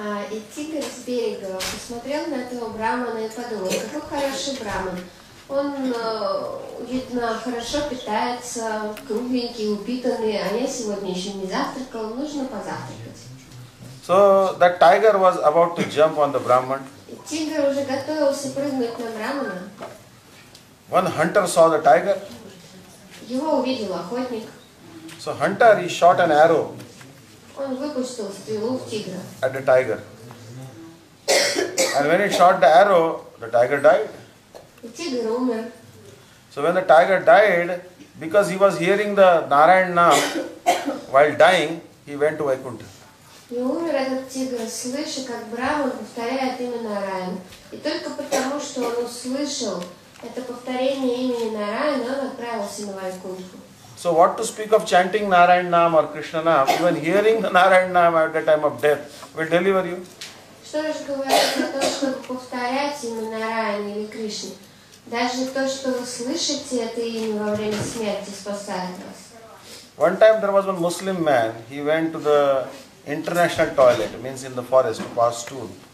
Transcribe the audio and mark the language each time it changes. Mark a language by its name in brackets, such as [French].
[Russian] И тигр с берега посмотрел на этого Брахмана и подумал, какой хороший Брахман. Он, видно, хорошо питается, кругленький, упитанный, а я сегодня еще не завтракал, нужно позавтракать. [English] So the tiger was about to jump on the Brahman. [Russian] И тигр уже готовился прыгнуть на Брахмана. [English] One hunter saw the tiger. [Russian] Его увидел охотник. [English] So hunter, he shot an arrow. [Russian] Он выпустил стрелу в тигра. [English] At the tiger. And when he shot the arrow, the tiger died. [Russian] Тигр умер. [English] So when the tiger died, because he was hearing the Narayan Nam while dying, he went to Vaikuntha. [Russian] И умер этот тигр, слыша, как Брама повторяет имя Нараян. И только потому, что он услышал это повторение имени Нараян, он отправился на Вайкунту. [English] So what to speak of chanting Narayan Nam or Krishna Nam? Even hearing the Narayan Nam at the time of death will deliver you. [Russian] Что же говорить о том, чтобы повторять имя Нараян или Кришны? Даже то, что вы слышите это имя во время смерти, спасает вас. [English] One time there was one Muslim man. He went to the international toilet, means in the forest, to pass stool.